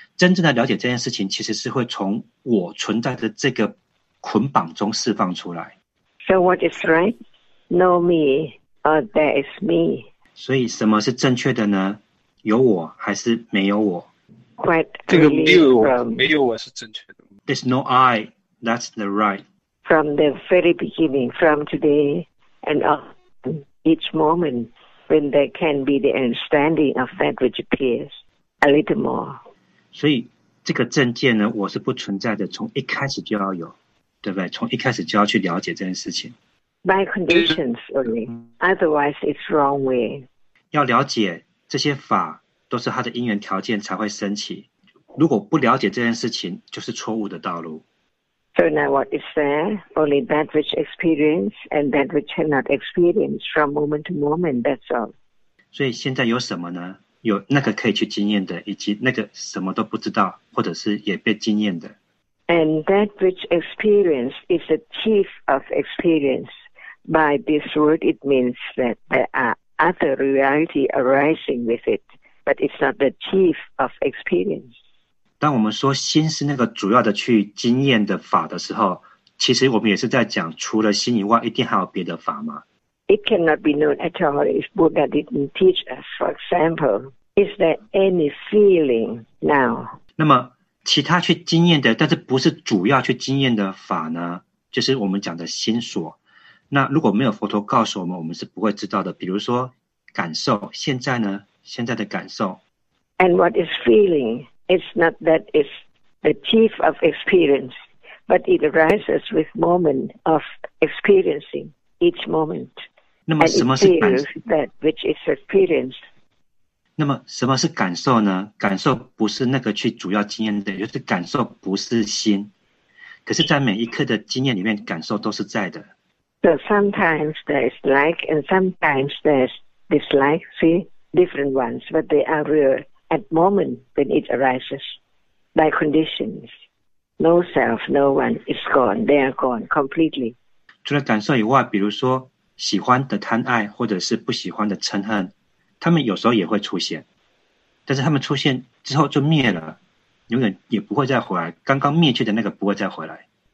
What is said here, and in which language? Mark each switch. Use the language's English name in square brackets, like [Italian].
[Chinese] 真正的了解这件事情，其实是会从我存在的这个捆绑中释放出来。 [English] So what is right? Know me or there is me. [Chinese] 所以什么是正确的呢？有我还是没有我？这个没有我，没有我是正确的。 [English] There's no I, that's the right. From the very beginning, from today, and each moment, when there can be the understanding of that which appears, a little more. [Chinese] 所以这个证件呢，我是不存在的，从一开始就要有，对不对？从一开始就要去了解这件事情。 [English] By conditions only, otherwise it's wrong way. [Chinese] 要了解这些法都是他的因缘条件才会升起，如果不了解这件事情，就是错误的道路。 [English] So now what is there? Only that which experience and that which cannot experience from moment to moment, that's all. [Chinese] 所以现在有什么呢？有那个可以去经验的，以及那个什么都不知道，或者是也被经验的。 [English] And that which experience is the chief of experience. By this word, it means that there are other reality arising with it. But it's not the chief of experience. [Chinese] 当我们说心是那个主要的去经验的法的时候，其实我们也是在讲，除了心以外，一定还有别的法吗？ [English] It cannot be known at all if Buddha didn't teach us. For example, is there any feeling now? [Chinese] 那么其他去经验的，但是不是主要去经验的法呢？就是我们讲的心所。那如果没有佛陀告诉我们，我们是不会知道的。比如说感受，现在呢？现在的感受。 [English] And what is feeling? It's not that it's the chief of experience, but it arises with moment of experiencing each moment. [Chinese] 那么什么是感受？ [English] That which is experienced. [Chinese] 那么什么是感受呢？感受不是那个去主要经验的，就是感受不是心。可是在每一刻的经验里面，感受都是在的。 [English] So sometimes there's like and sometimes there's dislike, see? Different ones, but they are real at moment when it arises by conditions. No self, no one is gone. They are gone completely. [Chinese] 除了感受以外，比如说喜欢的贪爱，或者是不喜欢的嗔恨，他们有时候也会出现，但是他们出现之后就灭了，永远也不会再回来。刚刚灭去的那个不会再回来。